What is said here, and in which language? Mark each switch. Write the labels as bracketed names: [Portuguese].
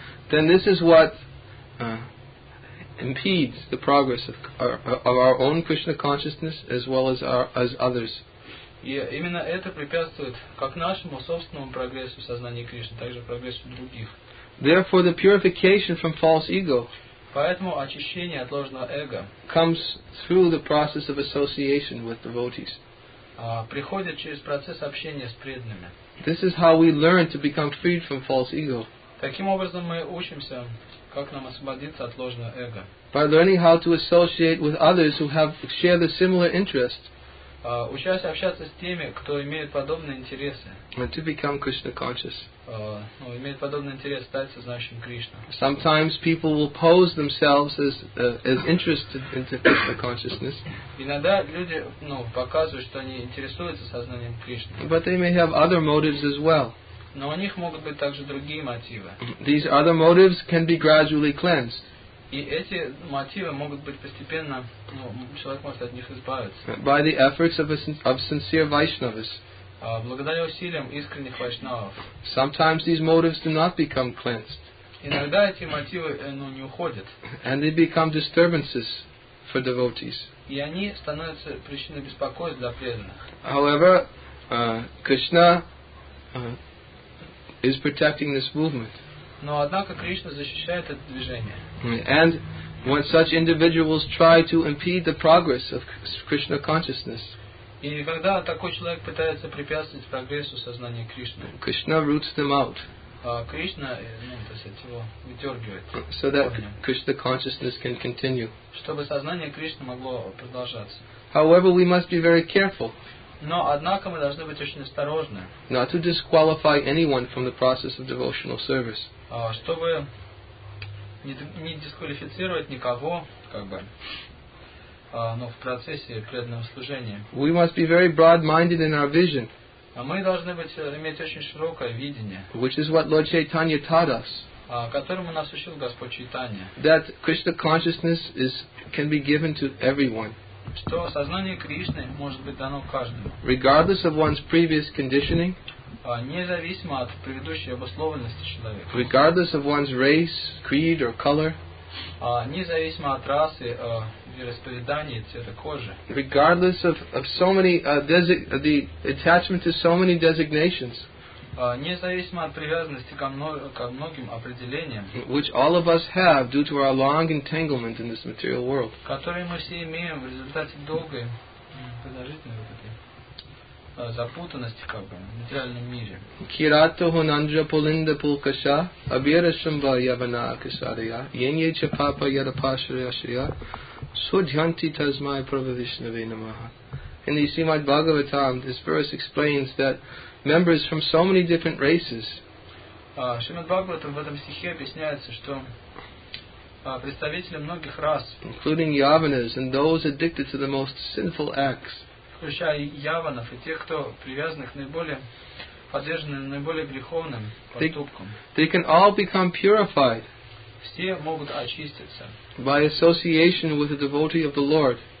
[English] Then this is what impedes the progress of our own Krishna consciousness as well as as others. [Russian] И именно это препятствует как нашему собственному прогрессу сознания Кришны, так же прогрессу других. [English] Therefore, the purification from false ego. [Russian] Поэтому очищение от ложного эго [English] comes through the process of association with devotees. [Russian] Приходит через процесс общения с преданными. [English] This is how we learn to become freed from false ego. [Russian] Таким образом мы учимся, как нам освободиться от ложного эго. [English] By learning how to associate with others who have share the similar interest. [Russian] Учась общаться с теми, кто имеет подобные интересы. [English] And to become Krishna conscious. [Russian] Имеет подобный интерес стать сознающим Кришну. [English] Sometimes people will pose themselves as interested into Krishna consciousness. [Russian] Иногда люди, показывают, что они интересуются сознанием Кришны. [English] But they may have other motives as well. [Russian] Но у них могут быть также другие мотивы. [English] These other motives can be gradually cleansed. [Russian] И эти мотивы могут быть постепенно, человек может от них избавиться. [English] By the efforts of sincere Vaishnavas. [Russian] Благодаря усилиям искренних вайшнавов. [English] Sometimes these motives do not become cleansed. [Russian] Иногда эти мотивы, не уходят. [English] And they become disturbances for devotees. [Russian] И они становятся причиной беспокойств для преданных. [English] However, Krishna is protecting this movement. [Russian] Но однако Кришна защищает это движение. [English] And when such individuals try to impede the progress of Krishna consciousness. [Russian] И когда такой человек пытается препятствовать прогрессу сознания Кришны, [English] Krishna roots them out. [Russian] Кришна, его выдергивает. [English] So that Krishna consciousness can continue. [Russian] Чтобы сознание Кришны могло продолжаться. [English] However, we must be very careful. [Russian] Но однако мы должны быть очень осторожны. [English] Not to disqualify anyone from the process of devotional service. [Russian] Чтобы не дисквалифицировать никого, в процессе преданного служения. [English] We must be very broad-minded in our vision. [Russian] Мы должны иметь очень широкое видение. [English] Which is what Lord Chaitanya taught us. [Russian] Которому нас учил Господь Чайтанья. [English] That Krishna consciousness can be given to everyone. [Russian] Что сознание Кришны может быть дано каждому. [English] Regardless of one's previous conditioning. [Russian] Независимо от предыдущей обусловленности человека. [English] Regardless of one's race, creed or color. [Russian] независимо от расы и расповедания цвета кожи. [English] Regardless of so many the attachment to so many designations. [Russian] Независимо от привязанности ко многим определениям, [English] which all of us have due to our long entanglement in this material world. [Russian] Которые мы все имеем в результате долгой продолжительной вот этой запутанности как бы в материальном мире. [Sanskrit] Кирато хунанджа пулинда пулкаша абирашамба явана акасария янья ча папа ярапашрияшрия судьянти тазмай прававишнаве намаха. [English] In the Srimad Bhagavatam, this verse explains that members from so many different races. [Russian] Srimad Bhagavatam в этом стихе объясняется, что представители многих рас, [English] including yavanas and those addicted to the most sinful acts, [Russian] включая яванов и тех, кто привязан к наиболее подверженным наиболее греховным поступкам. [English] They can all become purified. [Russian] Все могут очиститься. [English] By association with a devotee of the Lord.